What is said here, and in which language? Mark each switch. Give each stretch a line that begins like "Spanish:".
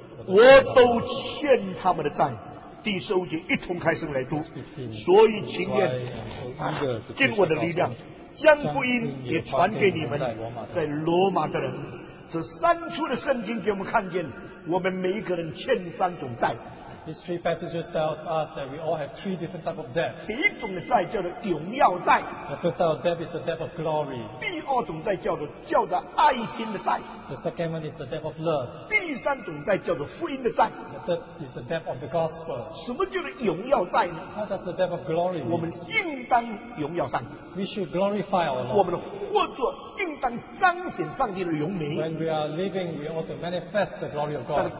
Chinese: 我都欠他们的债。第十五节一同开声来读，所以情愿尽我的力量将福音也传给你们在罗马的人。这三处的圣经给我们看见，我们每一个人欠三种债。
English: These three passages tell us that we all have three different types of debt.
Chinese: 第一种的债叫做荣耀债。
English: The first type of debt is the debt of glory.
Chinese: 第二种债叫做爱心的债。
English: The second one is the debt of love.
Chinese: 第三种债叫做福音的债。
English: The third is the debt of the gospel.
Chinese: 什么叫做荣耀债呢？
English: How does the debt of glory?
Chinese: 我们应当荣耀上帝。
English: We should glorify our Lord.
Chinese: 我们的活着应当彰显上帝的荣美。
English: When we are living, we ought to manifest the glory of God.